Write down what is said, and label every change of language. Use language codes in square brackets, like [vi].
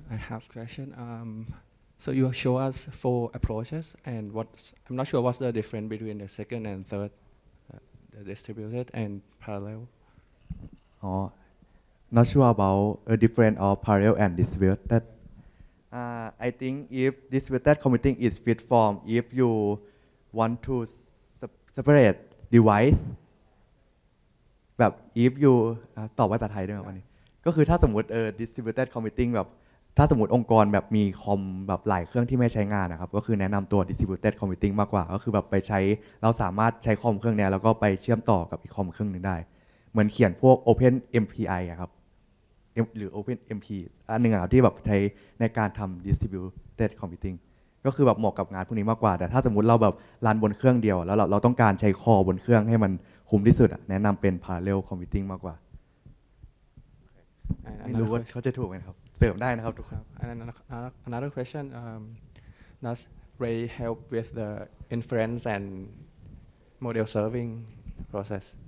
[en] I have a question. So you show us four approaches, and I'm not sure what's the difference between the second and third, the distributed and parallel. Oh, not sure about the difference of parallel and distributed. I think if distributed computing is fit form, if you want to separate device, [th] แบบ [en] if you [th] ตอบภาษาไทยได้ไหมวันนี้ก็คือถ้าสมมติ distributed computing แบบถ้าสมมติองค์กรแบบมีคอมแบบหลายเครื่องที่ไม่ใช้งานนะครับก็คือแนะนำตัว distributed computing มากกว่าก็คือแบบไปใช้เราสามารถใช้คอมเครื่องนี้แล้วก็ไปเชื่อมต่อกับอีกคอมเครื่องนึงได้เหมือนเขียนพวก open MPI ครับ หรือ open MP อันหนึ่งครับที่แบบใช้ในการทำ distributed computing ก็คือแบบเหมาะกับงานพวกนี้มากกว่าแต่ถ้าสมมติเราแบบรันบนเครื่องเดียวแล้วเราต้องการใช้คอบนเครื่องให้มันคุ้มที่สุดแนะนำเป็น parallel computing มากกว่า okay. ไม่รู้ว่าเขาจะถูกไหมครับเสริมได้นะครับทุกคน [en] Another question does Ray help with the inference and model serving process?